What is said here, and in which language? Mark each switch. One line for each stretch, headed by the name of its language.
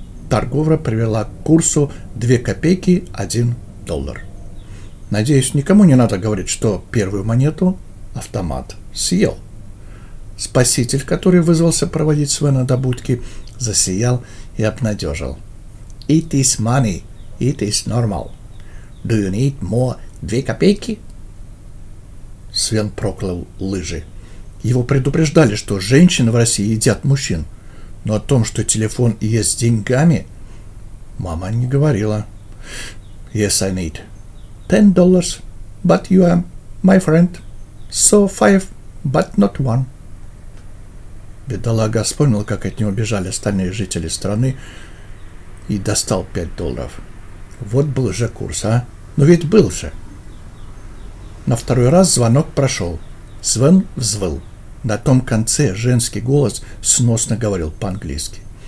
Russian: Торговля привела к курсу 2 копейки 1 доллар. Надеюсь, никому не надо говорить, что первую монету автомат съел. Спаситель, который вызвался проводить Свена до будки, засиял и обнадежил.
English: It is money, it is normal. Do you need more 2 копейки?
Russian: Свен проклял лыжи. Его предупреждали, что женщины в России едят мужчин, но о том, что телефон ест деньгами, мама не говорила.
English: Yes, I need $10, but you are my friend, so 5, but not 1.
Russian: Бедолага вспомнил, как от него бежали остальные жители страны, и достал $5. Вот был же курс, а? Ну ведь был же. На второй раз звонок прошел. Свен взвыл. На том конце женский голос сносно говорил по-английски.